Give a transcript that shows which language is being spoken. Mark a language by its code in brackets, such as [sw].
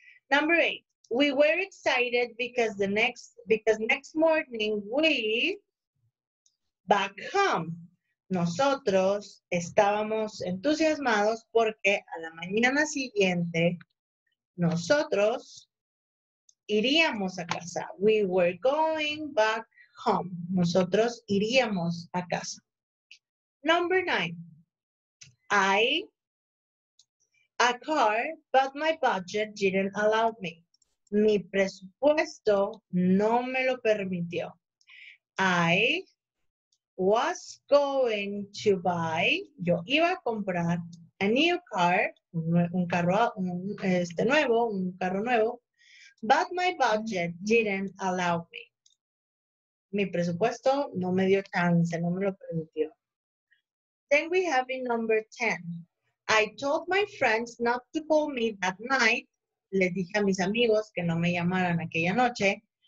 [en] Number 8, we were excited because next morning we back home. [es] Nosotros estábamos entusiasmados porque a la mañana siguiente nosotros iríamos a casa. [en] We were going back home. [es] Nosotros iríamos a casa. [en] Number 9. I a car, but my budget didn't allow me. [es] Mi presupuesto no me lo permitió. [en] I was going to buy, [es] yo iba a comprar [en] a new car, [es] un carro nuevo, [en] but my budget didn't allow me. [es] Mi presupuesto no me dio chance, no me lo permitió. [en] Then we have in number 10. I told my friends not to call me that night. [es] Les dije a mis amigos que no me llamaran aquella noche.